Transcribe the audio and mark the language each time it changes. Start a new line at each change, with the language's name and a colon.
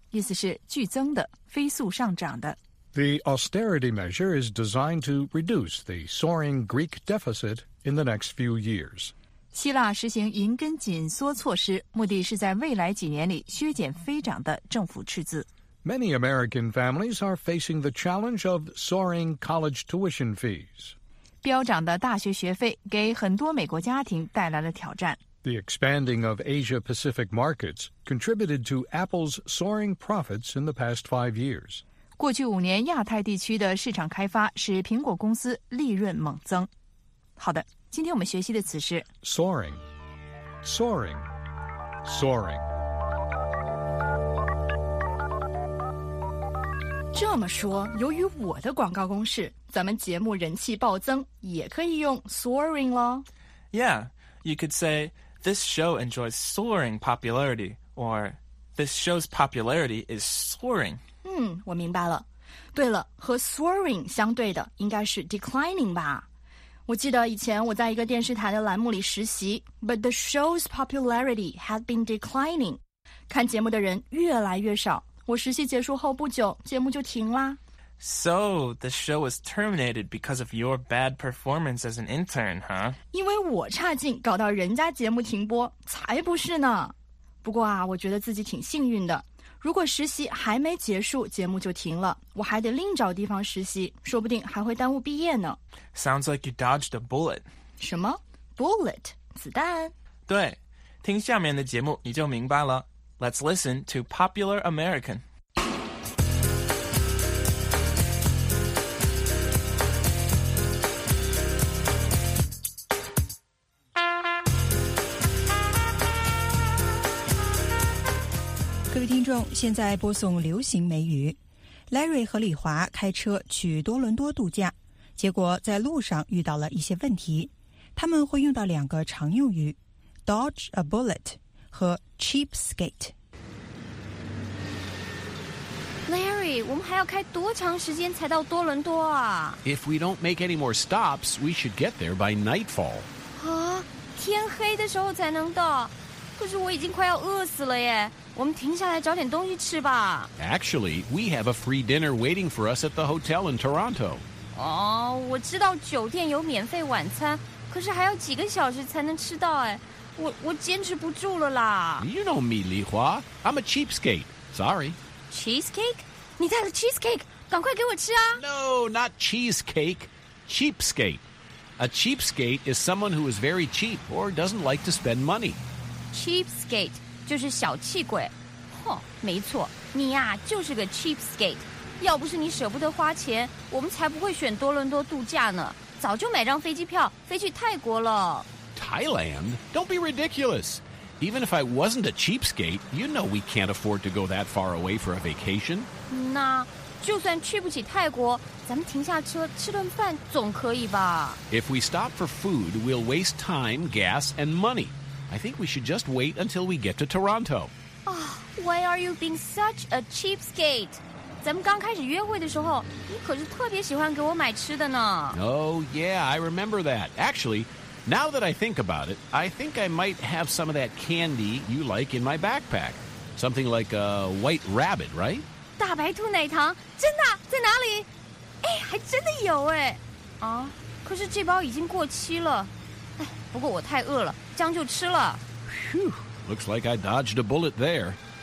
Chinese: 意思是剧增的，飞速上涨的。
English: The austerity measure is designed to reduce the soaring Greek deficit in the next few years.
Chinese: 希腊实行银根紧缩措施，目的是在未来几年里削减飞涨的政府赤字。
English: Many American families are facing the challenge of soaring college tuition fees.
Chinese: 飙涨的大学学费给很多美国家庭带来了挑战。
English: The expanding of Asia-Pacific markets contributed to Apple's soaring profits in the past 5 years.
Chinese: 过去五年亚太地区的市场开发使苹果公司利润猛增。好的，今天我们学习的词是
English: soaring, soaring, soaring.
Chinese: 这么说，由于我的广告攻势，咱们节目人气暴增，也可以用 soaring 咯。
English: Yeah, you could say... This show enjoys soaring popularity, or this show's popularity is soaring.
Chinese: 我明白了。对了，和 soaring 相对的应该是 declining 吧。我记得以前我在一个电视台的栏目里实习 ,
English: but the show's popularity had been declining.
Chinese: 看节目的人越来越少，我实习结束后不久，节目就停啦。
English: So, the show was terminated because of your bad performance as an intern, huh?
Chinese: 因为我差劲搞到人家节目停播，才不是呢。不过啊，我觉得自己挺幸运的。如果实习还没结束，节目就停了，我还得另找地方实习，说不定还会耽误毕业呢。
English: Sounds like you dodged a bullet.
Chinese: 什么 ?Bullet? 子弹？对，听下面的节目你就明白了。
English: Let's listen to Popular American.
Chinese: 听众现在播送流行美语 Larry 和李华开车去多伦多度假结果在路上遇到了一些问题他们会用到两个常用语 Dodge a bullet 和 cheapskate Larry 我们还要开多长时间才到多伦多啊
English: If we don't make any more stops we should get there by nightfall
Chinese: 啊，天黑的时候才能到可是我已经快要饿死了耶我们停下来找点东西吃吧。
English: Actually, we have a free dinner waiting for us at the hotel in Toronto.
Chinese: 哦，我知道酒店有免费晚餐，可是还要几个小时才能吃到哎，我坚持不住了啦。
English: You know me, Li Hua. I'm a cheapskate. Sorry. Cheesecake?
Chinese: 你带了 cheesecake? 赶快给我吃啊。
English: No, not cheesecake. Cheapskate. A cheapskate is someone who is very cheap or doesn't like to spend money. Cheapskate.
Chinese: 就是小气鬼，哼，没错，你呀、啊、就是个 cheapskate。要不是你舍不得花钱，我们才不会选多伦多度假呢，早就买张飞机票飞去泰国了。
English: Thailand? Don't be ridiculous. Even if I wasn't a cheapskate, you know we can't afford to go that far away for a vacation.
Chinese: 那就算去不起泰国，咱们停下车吃顿饭总可以吧
English: ？If we stop for food, we'll waste time, gas, and money. I think we should just wait until we get to Toronto. Oh, why are you being such a cheapskate?
Chinese: 咱们刚开始约会的时候，你可是特别喜欢给我买吃的呢。
English: Oh, yeah, I remember that. Actually, now that I think about it, I think I might have some of that candy you like in my backpack. Something like a white rabbit, right?
Chinese: 大白兔奶糖，真的，在哪里？哎，还真的有哎。啊，可是这包已经过期了。哎，不过我太饿了，将就吃了。
English: Phew, looks like I dodged a bullet there.